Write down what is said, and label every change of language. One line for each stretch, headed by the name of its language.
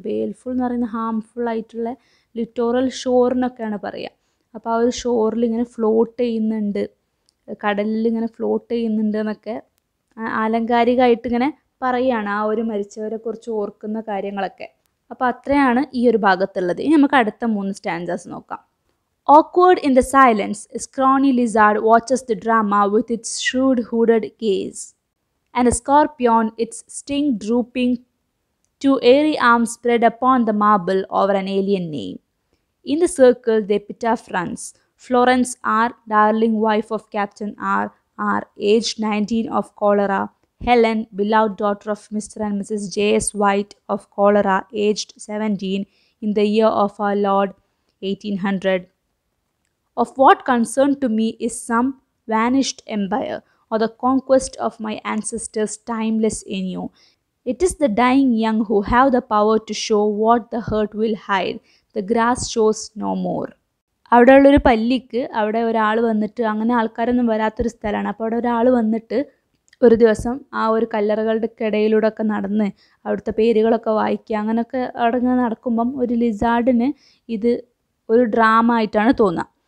Malayalam: ബേൽഫുൾ എന്ന് പറയുന്ന ഹാംഫുൾ ആയിട്ടുള്ള ലിറ്റോറൽ ഷോറിനൊക്കെയാണ് പറയുക. അപ്പോൾ ആ ഒരു ഷോറിൽ ഇങ്ങനെ ഫ്ലോട്ട് ചെയ്യുന്നുണ്ട്, കടലിൽ ഇങ്ങനെ ഫ്ലോട്ട് ചെയ്യുന്നുണ്ട് എന്നൊക്കെ ആലങ്കാരികമായിട്ടിങ്ങനെ പറയുകയാണ് ആ ഒരു മരിച്ചവരെ കുറിച്ച് ഓർക്കുന്ന കാര്യങ്ങളൊക്കെ. അപ്പോൾ അത്രയാണ് ഈ ഒരു ഭാഗത്തുള്ളത്. ഇനി നമുക്ക് അടുത്ത മൂന്ന് സ്റ്റാൻസസ് നോക്കാം.
English: Awkward in the silence, a scrawny lizard watches the drama with its shrewd hooded gaze. And a scorpion, its sting drooping to airy arms spread upon the marble over an alien name. In the circle, the epitaph runs, Florence R., darling wife of Captain R., R., aged 19 of cholera. Helen, beloved daughter of Mr. and Mrs. J.S. White of cholera, aged 17 in the year of our Lord, 1800. Of what concern to me is some vanished empire or the conquest of my ancestors timeless in you. It is the dying young who have the power to show what the hurt will hide. The grass shows no more.
Malayalam: അവിടെ ഉള്ളൊരു പല്ലിക്ക് അവിടെ ഒരാൾ വന്നിട്ട് അങ്ങനെ ആൾക്കാരൊന്നും വരാത്തൊരു സ്ഥലമാണ്. അപ്പോൾ അവിടെ ഒരാൾ വന്നിട്ട് ഒരു ദിവസം ആ ഒരു കല്ലറകളുടെക്കിടയിലൂടെ ഒക്കെ നടന്ന് അവിടുത്തെ പേരുകളൊക്കെ വായിക്കുക അങ്ങനെയൊക്കെ അവിടെ ഇങ്ങനെ നടക്കുമ്പം ഒരു ലിസാർഡിന് ഇത് ഒരു ഡ്രാമ ആയിട്ടാണ് തോന്നുക.